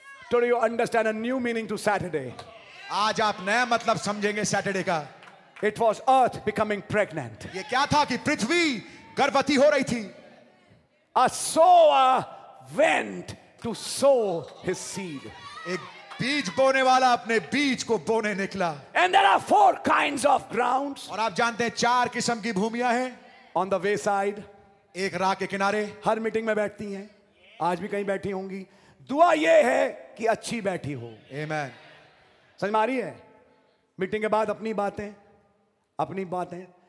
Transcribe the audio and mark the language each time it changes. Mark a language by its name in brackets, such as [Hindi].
[English] Today you understand a new meaning to Saturday. [Hindi] आज आप नया मतलब समझेंगे Saturday का. [English] It was earth becoming pregnant. [Hindi] ये क्या था कि पृथ्वी गर्भवती हो रही थी. [English] A sower went to sow his seed. [Hindi] एक बीज बोने वाला अपने बीज को बोने निकला. [English] And there are four kinds of grounds. [Hindi] और आप जानते हैं चार किस्म की भूमियां हैं. [English] On the wayside. [Hindi] एक राह के किनारे. हर मीटिंग में बैठती हैं. आज भी कहीं बैठी होंगी. दुआ ये है कि अच्छी बैठी हो. [English] Amen. [Hindi] समझ में आ रही है? मीटिंग के बाद अपनी बातें, अपनी बातें.